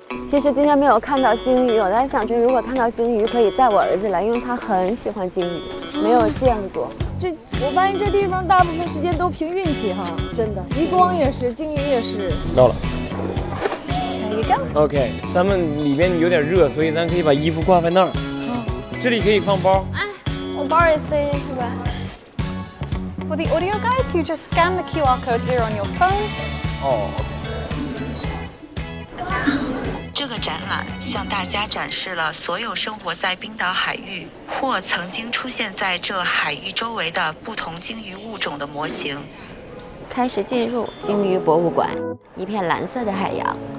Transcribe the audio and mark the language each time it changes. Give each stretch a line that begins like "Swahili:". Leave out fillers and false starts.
Chinese: 其实今天没有看到金鱼，我在想着如果看到金鱼可以带我儿子来，因为他很喜欢金鱼，没有见过。这我发现这地方大部分时间都凭运气哈，真的。极光也是，金鱼也是。到了，来一个。 OK， 咱们里边有点热，所以咱可以把衣服挂在那儿。好，这里可以放包。哎，我包也塞进去吧。
English: For the audio guide, you just scan the QR code here on your phone.
Chinese: 哦。这个展览向大家展示了所有生活在冰岛海域或曾经出现在这海域周围的不同鲸鱼物种的模型。开始进入鲸鱼博物馆，一片蓝色的海洋。